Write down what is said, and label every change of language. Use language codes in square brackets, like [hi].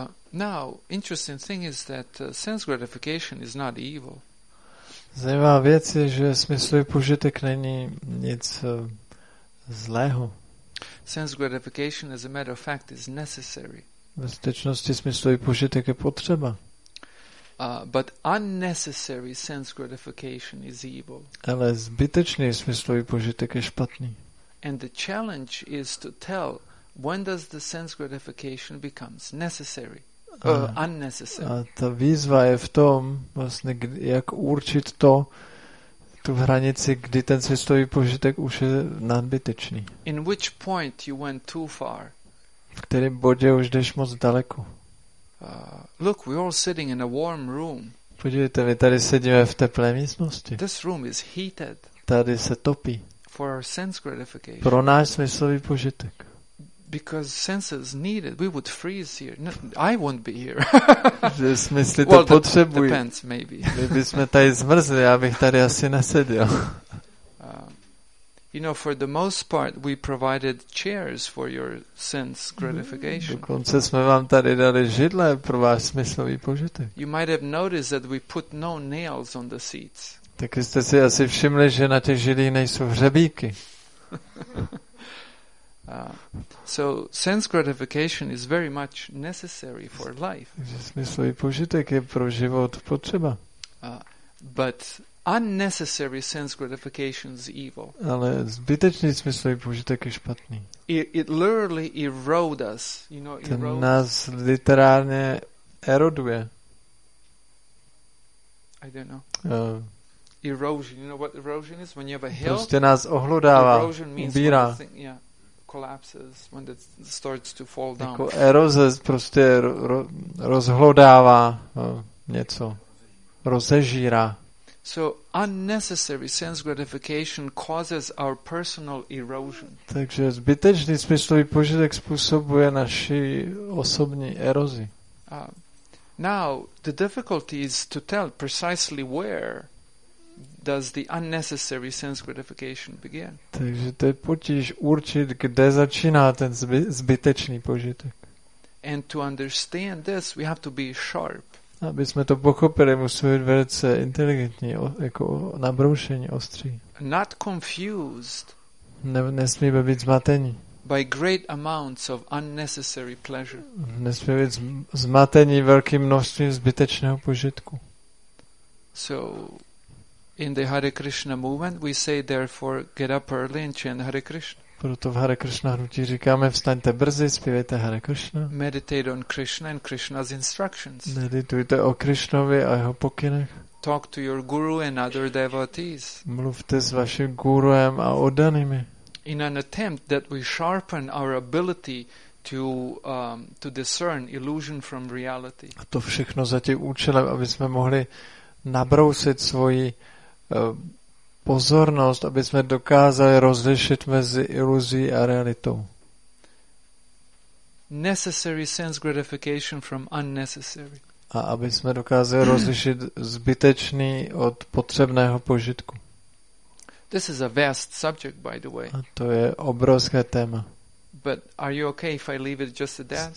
[en] Now, interesting thing is that sense gratification is not evil. [cs] Zajímavá věc je, že smyslový požitek není nic zlého. [en] Sense gratification, as a matter of fact, is necessary. [cs] Ve skutečnosti smyslový požitek je potřeba. [en] But unnecessary sense gratification is evil. [cs] Ale zbytečný smyslový požitek je špatný. [en] And the challenge is to tell when does the sense gratification becomes necessary. [cs] A ta výzva je v tom, vlastně, jak určit to, tu hranici, kdy ten smyslový požitek už je nadbytečný. [en] In which point you went too far? [cs] V kterém bodě už jdeš moc daleko. [en] Look, we're all sitting in a warm room. [cs] Podívejte, my tady sedíme v teplé místnosti. [en] This room is heated. [cs] Tady se topí. [en] For our sense gratification. [cs] Pro náš smyslový požitek. [en] because senses need it. We would freeze here. No, I won't be here. [cs] Že smysly to potřebují. [en] Depends, maybe. [cs] My bychom tady zmrzli, já bych tady asi neseděl. [en] You know, for the most part, we provided chairs for your sense gratification. [cs] Dokonce jsme vám tady dali židle pro váš smyslový požitek. [en] You might have noticed that we put no nails on the seats. [cs] Tak jste si asi všimli, že na těch židlích nejsou hřebíky. [en] So sense gratification is very much necessary for life. [cs] Takže smyslový požitek je pro život potřeba. [en] But unnecessary sense gratification is evil. [cs] Ale zbytečný smyslový požitek je špatný. [en] It literally erodes us, you know, erodes. [cs] Ten nás literálně eroduje. [en] I don't know. Erosion, you know what erosion is? When you have a hill. [cs] Prostě nás ohlodává, ubírá. [en] Collapses when it starts to fall down. [cs] Jako eroze prostě rozhlodává něco, rozežírá. [en] So unnecessary sense gratification causes our personal erosion. [cs] Takže zbytečný smyslový požitek způsobuje naši osobní erozi. [en] Now the difficulty is to tell precisely where does the unnecessary sense gratification begin. [cs] Takže to je potíž určit, kde začíná ten zbytečný požitek. [en] And to understand this, we have to be sharp. [cs] Aby jsme to pochopili, musíme být velice inteligentní, jako nabroušení, ostří. [en] Not confused. [cs] Nesmíme být zmatení. [en] By great amounts of unnecessary pleasure. [cs] Nesmíme být zmatení velkým množstvím zbytečného požitku. [en] So in the Hare Krishna movement we say therefore get up early and chant Hare Krishna. [cs] Proto v Hare Krishna hnutí říkáme vstaňte brzy, zpívejte Hare Krishna. [en] Meditate on Krishna and Krishna's instructions. [cs] Meditujte o Krishnovi a jeho pokynech. [en] Talk to your guru and other devotees. [cs] Mluvte s vaším guruem a oddanými. [en] In an attempt that we sharpen our ability to discern illusion from reality. [cs] A to všechno za tím účelem, aby jsme mohli nabrousit svoji pozornost, aby jsme dokázali rozlišit mezi iluzí a realitou. [en] Necessary sense gratification from unnecessary. [cs] A aby jsme dokázali rozlišit zbytečný od potřebného požitku. [en] This is a vast subject, by the way. [cs] A to je obrovské téma. [en] But are you okay if I leave it just at that?